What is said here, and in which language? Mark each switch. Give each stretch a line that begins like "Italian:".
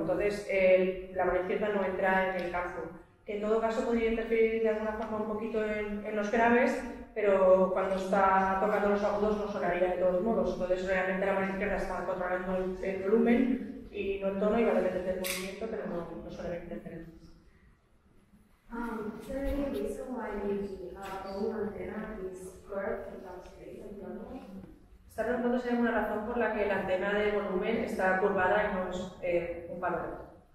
Spanish: Entonces la mano izquierda no entra en el campo. Que en todo caso podría interferir de alguna forma un poquito en los graves, pero cuando está tocando los agudos no sonaría de todos modos. Entonces realmente la mano izquierda está controlando el volumen y no el tono, y va a depender del movimiento, pero no suele interferir.
English: Is there any reason why the bone antenna is curved and not straight and normal?
Spanish: ¿Está preguntando si hay alguna razón por la que la antena de volumen está curvada y no es un palo?